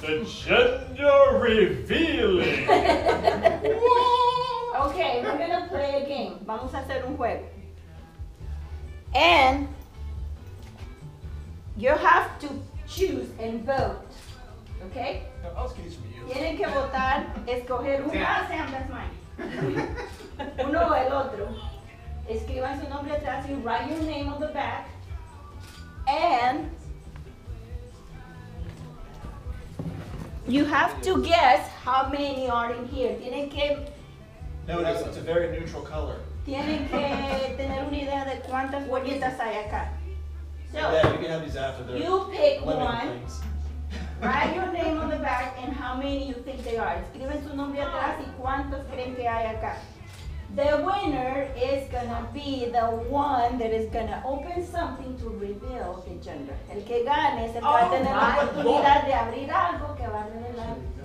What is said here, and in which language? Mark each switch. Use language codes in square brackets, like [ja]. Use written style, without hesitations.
[en] The gender revealing. Okay, we're going to play a game. [es] Vamos a hacer un juego. [en] And you have to choose and vote, okay? [es] Tienen que votar, escoger un uno o el otro. Escriban su nombre atrás y [en] write your name on the back. And you have to guess how many are in here. [es] Tienen que... [en] No, it's a very neutral color. [es] Tienen que tener una idea de cuántas bolitas hay acá. [en] So, yeah, we can have these after. You pick one. Write your name on the back and how many you think they are. [es] Escriben su nombre atrás y cuántos creen que hay acá. [en] The winner is going to be the one that is going to open something to reveal the gender. [es] El que gane se va a tener la oportunidad de abrir algo que va a tener la...